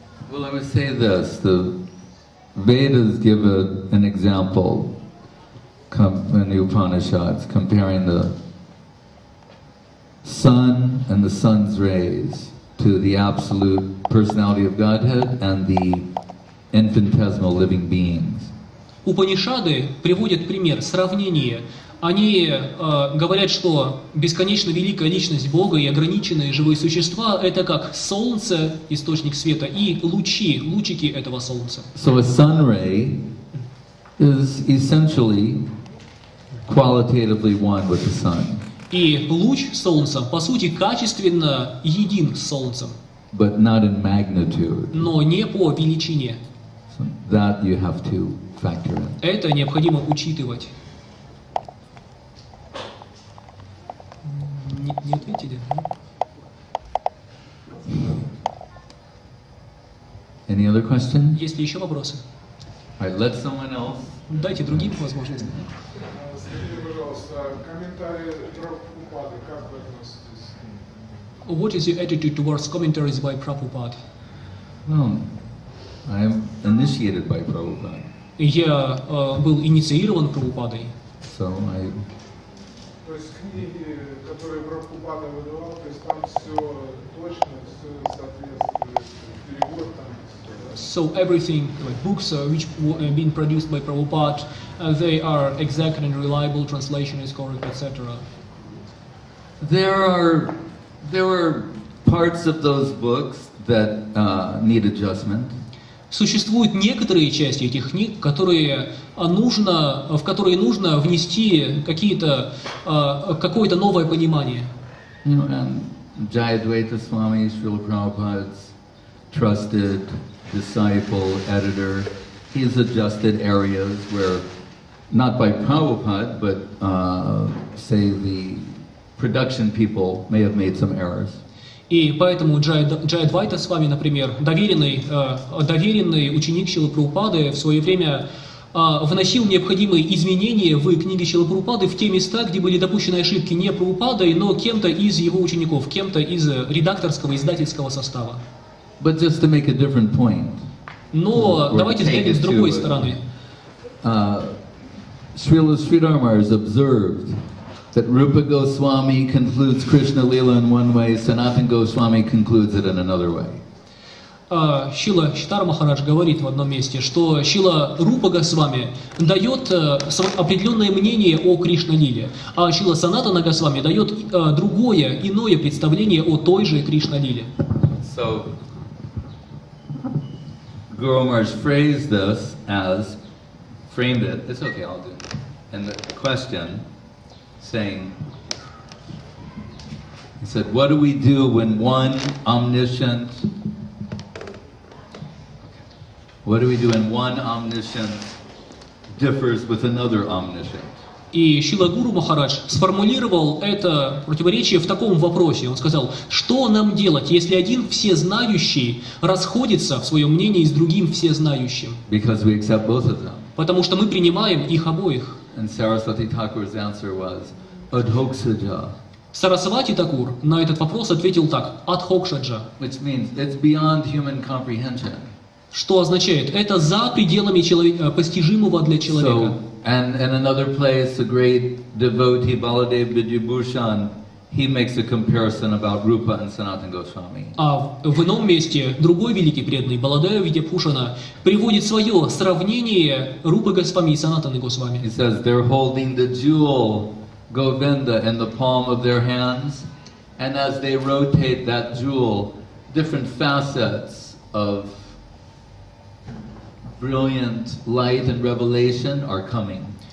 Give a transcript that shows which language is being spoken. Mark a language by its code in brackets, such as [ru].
[en] Well, I would say this: the Vedas give an example. In the Upanishads, comparing the sun and the sun's rays to the absolute personality of Godhead and the infinitesimal living beings. [ru] Упанишады приводят пример, сравнение. Они говорят, что бесконечно великая личность Бога и ограниченные живые существа – это как солнце, источник света, и лучи, лучики этого солнца. [en] So a sun ray is essentially qualitatively one with the sun. [ru] И луч солнца, по сути, качественно един с солнцем. [en] But not in magnitude. [ru] Но не по величине. [en] So that you have to factor in. [ru] Это необходимо учитывать. Не ответили? [en] Any other question? [ru] Есть ли еще вопросы? [en] I let someone else. [ru] Дайте другим возможность. Скажите, пожалуйста, комментарии Прабхупады, как вы относитесь? [en] What is your attitude towards commentaries by Prabhupada? Well, I am initiated by Prabhupada. [ru] Я был инициирован Прабхупадой. [en] So I. [ru] То есть книги, которые Прабхупада выдавал, то есть там все точно, все соответствует, перевод там. [en] So everything, like books which have been produced by Prabhupada, they are exact and reliable, translation is correct, etc. There are parts of those books that need adjustment. [ru] Существуют некоторые части этих книг, которые нужно, в которые нужно внести какие-то, какое-то новое понимание. [en] You know, and Jayadvaita Swami, Srila Prabhupada's trusted disciple, editor, he's adjusted areas where, not by Prabhupada, but say the production people may have made some errors. [ru] И поэтому Джайадвайта с вами, например, доверенный ученик Шрилы Прабхупады в свое время вносил необходимые изменения в книги Шрилы Прабхупады в те места, где были допущены ошибки не Прабхупадой, но кем-то из его учеников, кем-то из редакторского, издательского состава. [en] But just to make a different point. [ru] Но давайте взглянем с другой стороны. [en] Srila Sridhar Maharaj has observed that Rupa Goswami concludes Krishna Lila in one way, Sanatan Goswami concludes it in another way. [ru] Srila Sridhar Maharaj говорит в одном месте, что Srila Rupa Goswami дает определенное мнение о Кришна Лиле, а Srila Sanatana Goswami дает другое, иное представление о той же Кришна Лиле. [en] So, Guru Maharaj phrased this as, framed it, it's okay, I'll do it, and the question, saying, he said, what do we do when one omniscient, what do we do when one omniscient differs with another omniscient? [ru] И Шрила Гуру Махарадж сформулировал это противоречие в таком вопросе. Он сказал, что нам делать, если один всезнающий расходится в своем мнении с другим всезнающим? [en] Because we accept both of them. [ru] Потому что мы принимаем их обоих. [en] And Sarasvati Thakur's answer was, Adhokshaja. [ru] Сарасвати Такур на этот вопрос ответил так, Адхокшаджа. [en] Which means, it's beyond human comprehension. [ru] Что означает? Это за пределами постижимого для человека. [en] So, and in another place, a great devotee, Baladev Vidyabhushan, he makes a comparison about Rupa and Sanatana Goswami. [ru] А в ином месте другой великий преданный, Баладев Видьябхушана, приводит свое сравнение Рупы Госвами и Санатаны Госвами. [en] He says, they're holding the jewel, Govinda, in the palm of their hands, and as they rotate that jewel, different facets of brilliant light and revelation are coming.